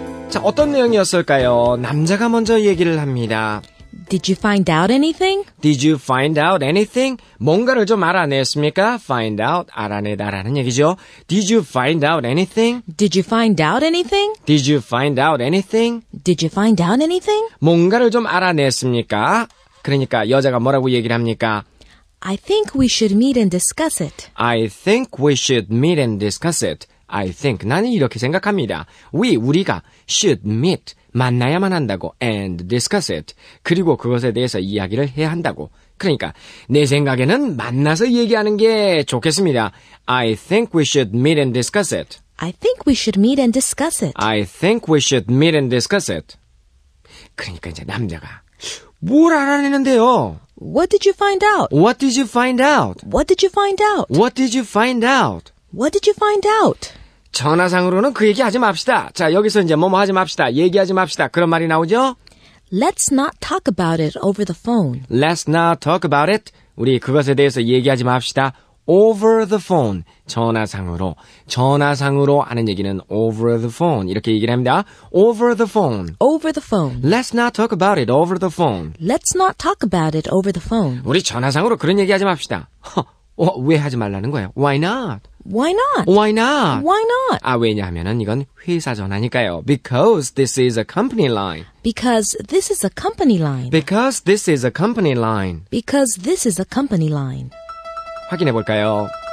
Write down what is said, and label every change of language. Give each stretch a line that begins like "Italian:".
Korean: So, 어떤 내용이었을까요? 남자가 먼저 얘기를 합니다.
English: Did you find out anything? Did you find out anything?
Korean: 뭔가를 좀 알아냈습니까?
English: Find out,
Korean: 알아내다라는 얘기죠.
English: Did you find out anything? Did you find out anything? Did you find out anything? Did you find out anything?
Korean: 뭔가를 좀 알아냈습니까? 그러니까 여자가 뭐라고 얘기를 합니까?
English: I think we should meet and discuss it. I think we should meet and discuss it. I think,
Korean: 나는 이렇게 생각합니다.
English: We,
Korean: 우리가
English: should meet,
Korean: 만나야만 한다고,
English: and discuss it,
Korean: 그리고 그것에 대해서 이야기를 해야 한다고. 그러니까 내 생각에는 만나서 얘기하는 게 좋겠습니다.
English: I think we should meet and discuss it. I think we should meet and discuss it. I think we should meet and discuss it.
Korean: 그러니까 이제 남자가 뭘 알아내는데요?
English: What did you find out? What did you find out? What did you find out? What did you find out? What did you find out?
Korean: 전화상으로는 그 얘기 하지 맙시다. 자, 여기서 이제 뭐뭐 하지 맙시다. 얘기하지 맙시다. 그런 말이 나오죠?
English: Let's not talk about it over the phone. Let's not talk about it.
Korean: 우리 그것에 대해서 얘기하지 맙시다.
English: Over the phone.
Korean: 전화상으로. 전화상으로 하는 얘기는
English: over the phone.
Korean: 이렇게 얘기를 합니다.
English: Over the phone. Over the phone. Let's not talk about it over the phone. Let's not talk about it over the phone.
Korean: 우리 전화상으로 그런 얘기하지 맙시다. 왜 하지 말라는 거예요?
English: Why not? Why not? Why not? Why not?
Korean: 아, 왜냐하면은 이건 회사 전화니까요.
English: Because this is a company line. Because this is a company line. Because this is a company line. Because this is a company line.
Korean: 확인해 볼까요?